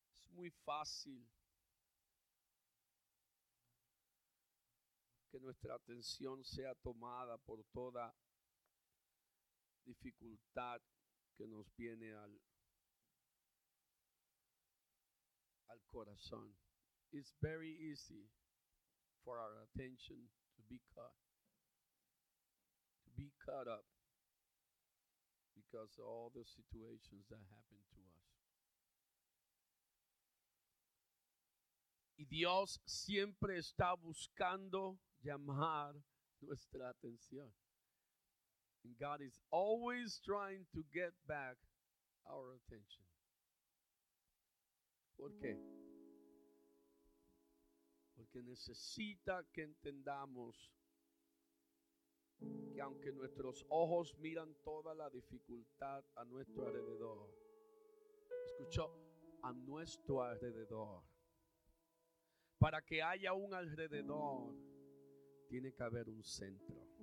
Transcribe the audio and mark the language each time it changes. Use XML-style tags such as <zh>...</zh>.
<es>Muy fácil que nuestra atención sea tomada por toda dificultad que nos viene al corazón.</es> <en>It's very easy for our attention to be caught up because of all the situations that happen to us.</en> <es>Y Dios siempre está buscando llamar nuestra atención.</es> <en>And God is always trying to get back our attention.</en> <es>¿Por qué? Porque necesita que entendamos que aunque nuestros ojos miran toda la dificultad a nuestro alrededor, escuchó, a nuestro alrededor, para que haya un alrededor, tiene que haber un centro.</es>